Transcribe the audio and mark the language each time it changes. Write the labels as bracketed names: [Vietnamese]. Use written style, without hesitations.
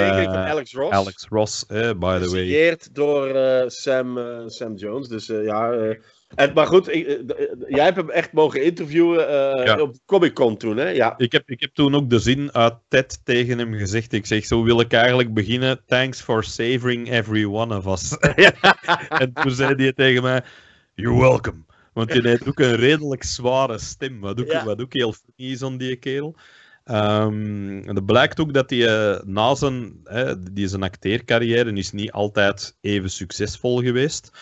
[English] Alex Ross. Alex Ross, by the way. [Dutch] Gesigneerd door Sam Jones. Dus, jij hebt hem echt mogen interviewen op Comic Con toen. Hè? Ja. Ik heb toen ook de zin uit Ted tegen hem gezegd. Ik zeg, zo wil ik eigenlijk beginnen. [English] Thanks for saving every one of us. [Dutch] En toen zei hij tegen mij, [English] you're welcome. [Dutch] Want je hebt ook een redelijk zware stem. Wat ook heel funny is aan die kerel. Het blijkt ook dat hij na zijn acteercarrière is niet altijd even succesvol geweest.